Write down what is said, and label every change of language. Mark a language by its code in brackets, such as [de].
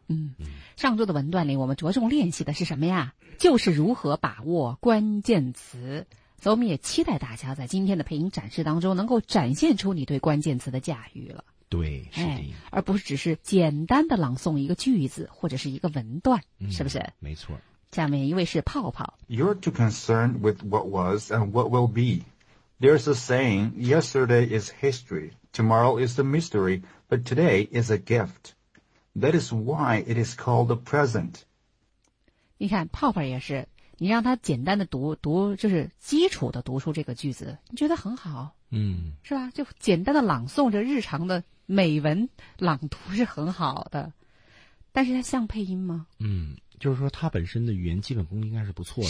[zh] 嗯，上周的文段里我们着重练习的是什么呀？就是如何把握关键词。所以我们也期待大家在今天的配音展示当中能够展现出你对关键词的驾驭了。对，是的、哎，而不是只是简单的朗诵一个句子或者是一个文段、嗯、是不是？没错。下面一位是泡泡。 [en] You're too concerned with what was and what will be. There's a saying, yesterday is history, tomorrow is the mystery, but today is a gift. That is why it is called the present. [zh] 你看泡泡也是，你让他简单的读就是基础的读出这个句子，你觉得很好。嗯，是吧，就简单的朗诵着日常的美文朗读是很好的，但是它像配音吗？嗯，就是说他本身的语言基本功应该是不错的。